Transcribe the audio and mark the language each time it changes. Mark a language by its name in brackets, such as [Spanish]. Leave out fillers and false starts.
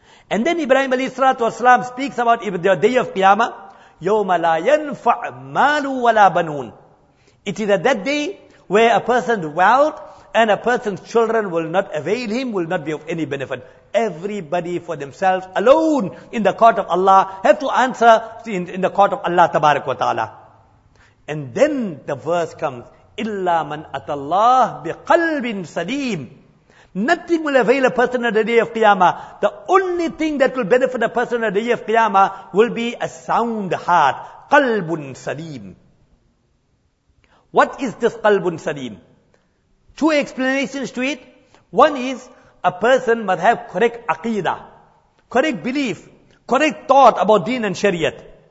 [English] And then Ibrahim alayhi salatu wasalam speaks about the day of Qiyamah, [Arabic] يَوْمَ لَا يَنْفَعْ مَالُ وَلَا بَنُونَ. [English] It is at that day where a person's wealth and a person's children will not avail him, will not be of any benefit. Everybody for themselves alone in the court of Allah have to answer in the court of Allah tabarak wa ta'ala. And then the verse comes, [Arabic] إِلَّا مَنْ أَتَى اللَّهِ بِقَلْبٍ سَلِيمٍ. [English] Nothing will avail a person on the day of Qiyamah. The only thing that will benefit a person on the day of Qiyamah will be a sound heart. Qalbun Salim. What is this Qalbun Salim? 2 explanations to it. One is, a person must have correct aqidah, correct belief, correct thought about deen and shariat.